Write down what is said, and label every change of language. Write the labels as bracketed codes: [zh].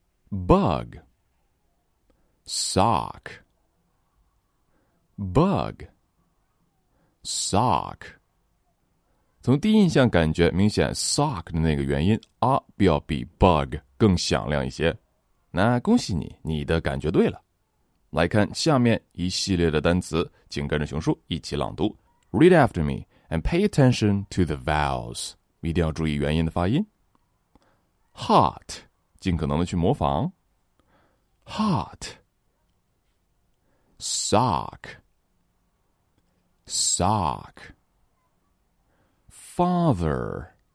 [en] Bug. Sock. Bug. Sock. [zh] 从第一印象感觉明显 sock 的那个元音 啊，要比 bug 更响亮一些。那恭喜你，你的感觉对了。来看下面一系列的单词，紧跟着熊叔一起朗读。 [en] Read after me and pay attention to the vowels. [zh] 一定要注意元音的发音。 Hot, 尽可能的去模仿。Hot. Sock. [en] Sock. Father.